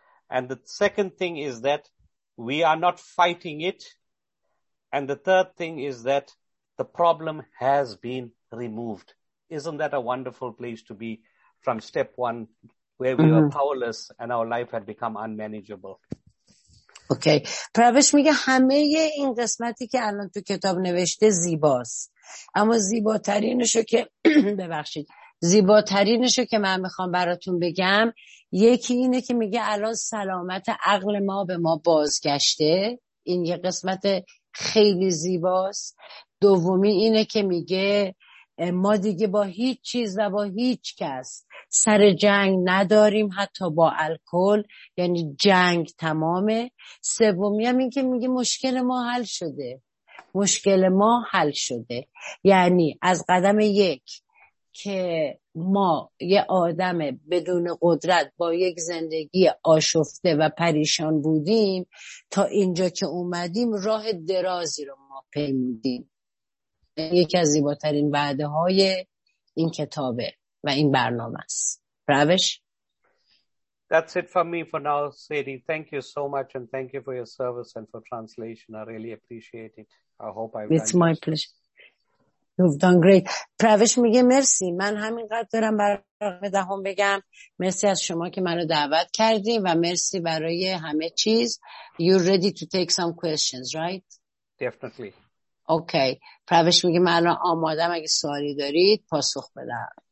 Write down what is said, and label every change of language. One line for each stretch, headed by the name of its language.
English: And the second thing is that we are not fighting it. And the third thing is that the problem has been removed. Isn't that a wonderful place to be from step one, where we were powerless and our life had become unmanageable?
Persian: اوکی. پروش میگه همه این قسمتی که الان تو کتاب نوشته زیباست، اما زیباترینشو که ببخشید زیباترینشو که من میخوام براتون بگم، یکی اینه که میگه الان سلامت عقل ما به ما بازگشته. این یه قسمت خیلی زیباست. دومی اینه که میگه ما دیگه با هیچ چیز و با هیچ کس سر جنگ نداریم، حتی با الکل، یعنی جنگ تمامه. سومی هم این که میگه مشکل ما حل شده، یعنی از قدم یک که ما یه آدم بدون قدرت با یک زندگی آشفته و پریشان بودیم تا اینجا که اومدیم راه درازی رو ما پیمودیم. یکی از زیباترین وعده های این کتابه و این برنامه است. روش.
English: That's it from me for now, Sadie. Thank you so much and thank you for your service and for translation. I really appreciate it. I hope I've It's my pleasure. You've done great.
Persian: پروش میگه مرسی. من همینقدر دارم برای دهم بگم. مرسی از شما که منو دعوت کردی و مرسی برای همه چیز.
English: You're ready to take some questions, right? Definitely. Okay.
Persian: پروش میگه من الان آمادم اگه سوالی دارید پاسخ بدم.